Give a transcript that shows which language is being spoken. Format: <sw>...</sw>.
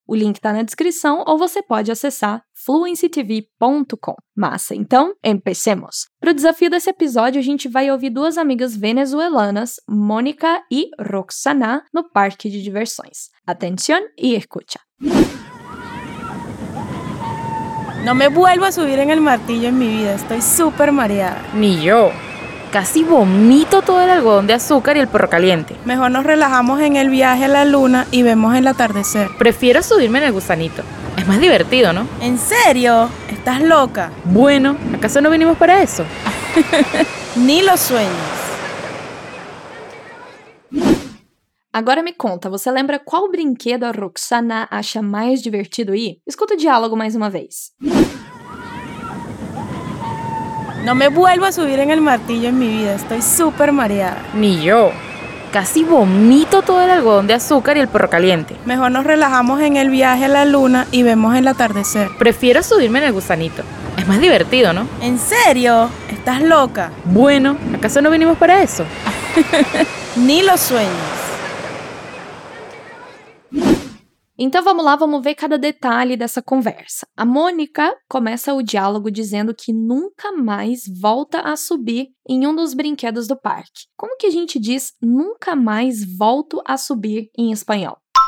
<pt>O link está na descrição ou você pode acessar fluencytv.com. Massa, então, empecemos! Para o desafio desse episódio, a gente vai ouvir duas amigas venezuelanas, Mônica e Roxana, no parque de diversões.</pt> <es>Atención y escucha! No me vuelvo a subir en el martillo en mi vida, estoy súper mareada. Ni yo. Casi vomito todo el algodón de azúcar y el perro caliente. Mejor nos relajamos en el viaje a la luna y vemos el atardecer. Prefiero subirme en el gusanito. Es más divertido, ¿no? ¿En serio? ¿Estás loca? Bueno, ¿acaso no vinimos para eso? Ni lo sueñes.</es> <pt>Agora me conta, você lembra qual brinquedo a Roxana acha mais divertido ir? Escuta o diálogo mais uma vez.</pt> <es>No me vuelvo a subir en el martillo en mi vida, estoy super mareada. Ni yo. Casi vomito todo el algodón de azúcar y el perro caliente. Mejor nos relajamos en el viaje a la luna y vemos el atardecer. Prefiero subirme en el gusanito. Es más divertido, ¿no? ¿En serio? ¿Estás loca? Bueno, ¿acaso no vinimos para eso? Ni lo sueñes.</es> <pt>Então vamos lá, vamos ver cada detalhe dessa conversa. A Mônica começa o diálogo dizendo que nunca mais volta a subir em um dos brinquedos do parque. Como que a gente diz nunca mais volto a subir em espanhol?</pt>